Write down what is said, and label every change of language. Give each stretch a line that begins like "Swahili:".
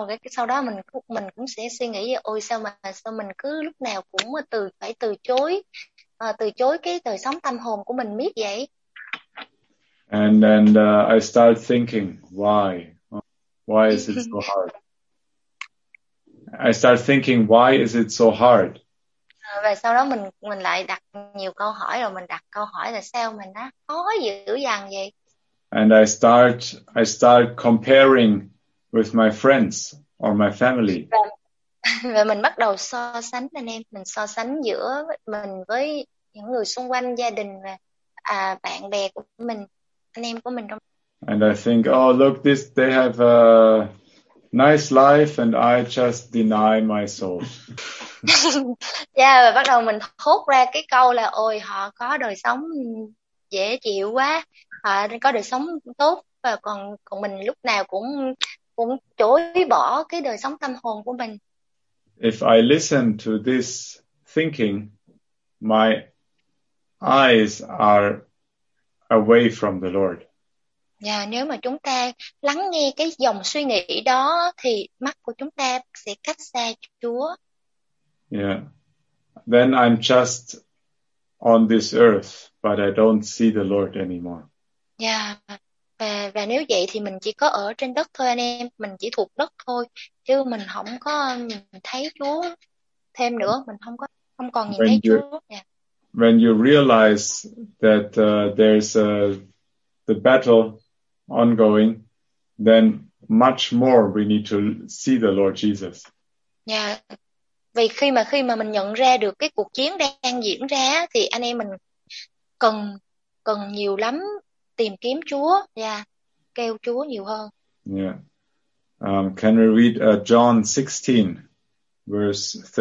Vietnamese: Sau đó mình cũng sẽ suy nghĩ, ôi sao mình cứ lúc nào cũng phải từ chối cái đời sống tâm hồn của mình miết vậy.
English: And then I start thinking, why is it so hard? I start thinking, why is it so hard?
Vietnamese: Và sau đó mình lại đặt nhiều câu hỏi, rồi mình đặt câu hỏi là sao mình nó khó dữ dằn vậy.
English: And I start comparing with my friends or my family.
Vietnamese: Và mình bắt đầu so sánh anh em, mình so sánh giữa mình với những người xung quanh, gia đình và bạn bè của mình, anh em của mình trong.
English: And I think, oh look, this they have a nice life and I just deny my soul.
Vietnamese: Yeah, và bắt đầu mình thốt ra cái câu là, ôi họ có đời sống dễ chịu quá. Có đời sống tốt và còn mình lúc nào cũng chối bỏ cái đời sống tâm hồn của mình.
English: If I listen to this thinking, my eyes are away from the Lord.
Vietnamese: Yeah, nếu mà chúng ta lắng nghe cái dòng suy nghĩ đó thì mắt của chúng ta sẽ cách xa Chúa.
English: Yeah. Then I'm just on this earth, but I don't see the Lord anymore. Yeah.
Vietnamese: Và nếu vậy thì mình chỉ có ở trên đất thôi anh em, mình chỉ thuộc đất thôi, chứ mình không có nhìn thấy Chúa thêm nữa, mình không còn nhìn thấy Chúa.
English: Yeah. When you realize that there's the battle ongoing, then much more we need to see the Lord Jesus. Yeah.
Vietnamese: Vì khi mà mình nhận ra được cái cuộc chiến đang diễn ra thì anh em mình cần nhiều lắm tìm kiếm Chúa, kêu Chúa nhiều hơn.
English: Yeah. Can we read John 16, verse